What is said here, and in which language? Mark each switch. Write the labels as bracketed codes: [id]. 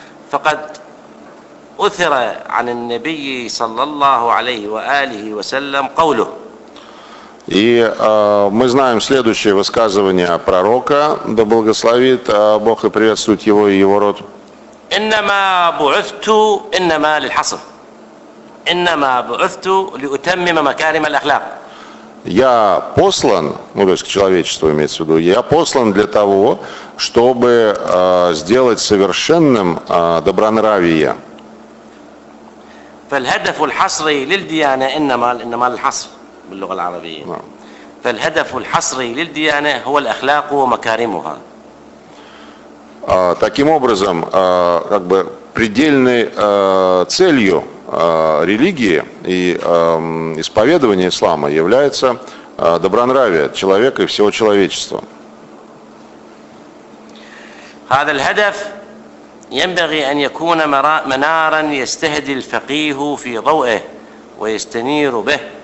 [ar] فقد أثر عن النبي صلى الله عليه وآله وسلم قوله [ru] И мы знаем следующее высказывание пророка, да благословит Бог и приветствует его и его род. [ar] إنما بعثت إنما للحصر. إنما بعثت لأتمم مكارم الأخلاق. [ru] Я послан, ну то есть к человечеству имеется в виду, я послан для того, чтобы сделать совершенным добронравие. [ar] فالهدف الحصري للديانة إنما إنما للحصر. باللغة العربية. فالهدف الحصري للديانة هو الأخلاق ومكارمها. [ru] Таким образом, как бы предельной целью религии и исповедования ислама является добронравие человека и всего человечества. [ar] هذا الهدف ينبغي أن يكون منارا يستهدي الفقيه في ضوئه ويستنير به.